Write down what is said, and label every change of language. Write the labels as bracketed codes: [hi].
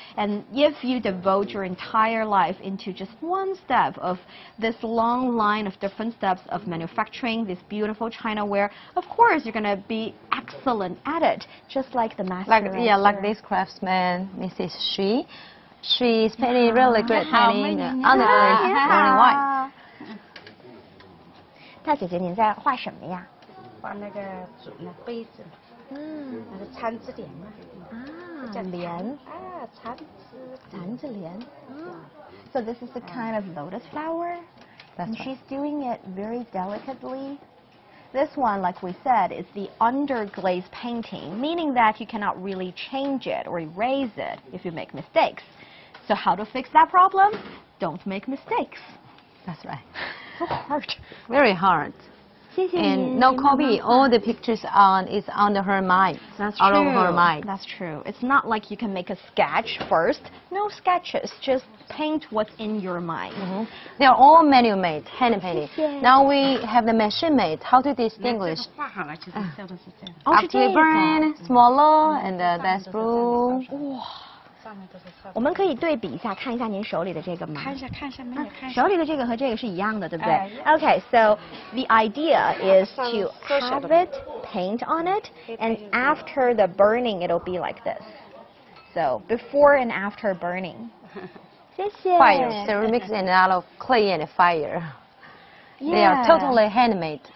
[en] And if you devote your entire life into just one step of this long line of different steps of manufacturing,this beautiful chinaware, of course you're going to be excellent at it, just like the master. Like, yeah, like this craftsman, Mrs. Xu. She's painting really great painting on the glaze, on the white. [zh] 大姐姐您在画什么呀？画那个杯子，那个餐子帘嘛。莲啊，餐子莲。 [en] So this is a kind of lotus flower. That's and she's doing it very delicately. This one, like we said, is the underglaze painting, meaning that you cannot really change it or erase it if you make mistakes. So how to fix that problem? Don't make mistakes. That's right. So hard. Very hard. And no copy, all the pictures is under her mind. That's true. All over her mind. That's true. It's not like you can make a sketch first. No sketches, just paint what's in your mind. Mm-hmm. They are all manual made, hand painted. Now we have the machine made. How to distinguish? After burn, smaller, and that's blue. [zh] 上面都是差不多。我们可以对比一下，看一下您手里的这个吗？看一下，没有看。手里的这个和这个是一样的，对不对？ [en] OK, so the idea is to have it paint on it, and after the burning, it'll be like this. So before and after burning. [zh] 谢谢。 [en] Fire, ceramics and a lot of clay and fire. They are totally handmade.